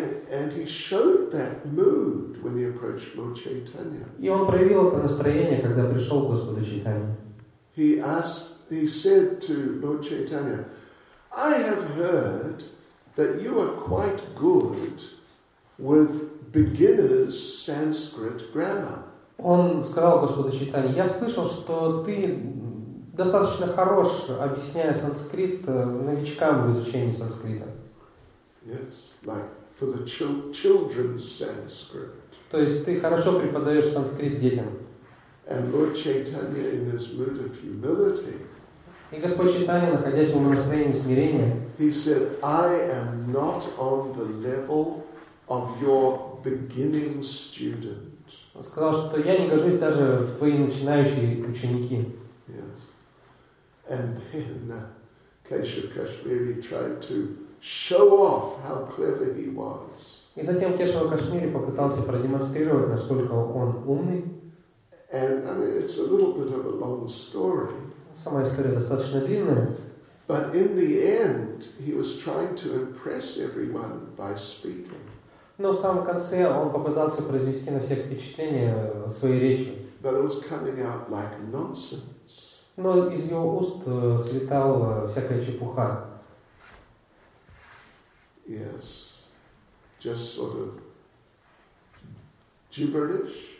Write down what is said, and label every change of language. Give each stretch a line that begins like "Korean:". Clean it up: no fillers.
English: And he showed that mood when he approached Lord Chaitanya.
Russian: И он проявил это настроение, когда пришел к Господу Чайтанье.
English: He said to Lord Chaitanya, I have heard that you are quite good with beginners Sanskrit grammar.
Russian: Он сказал Господу Чайтанье, я слышал, что ты достаточно хорош, объясняя санскрит новичкам в изучении санскрита.
English: Yes, like for the children's Sanskrit.
Russian: То есть ты хорошо преподаешь санскрит детям.
English: And Lord Chaitanya in his mood of humility.
Russian: И Господь Чайтанья, находясь в умонастроении смирения,
English: he said, I am not on the level of your beginning student.
Russian: Он сказал, что я не гожусь даже в твои начинающие ученики.
English: Yes. And then Keshav Kashmiri tried to show off how clever he was.
Russian: И затем Кешава Кашмири попытался продемонстрировать, насколько он умный.
English: And I mean, it's a little bit of a long story.
Russian: Сама история достаточно длинная.
English: But in the end, he was trying to impress everyone by speaking.
Russian: Но в самом конце он попытался произвести на всех впечатление своей речью.
English: But it was coming out like nonsense.
Russian: Но из его уст слетала всякая чепуха.
English: Yes. Just sort of gibberish.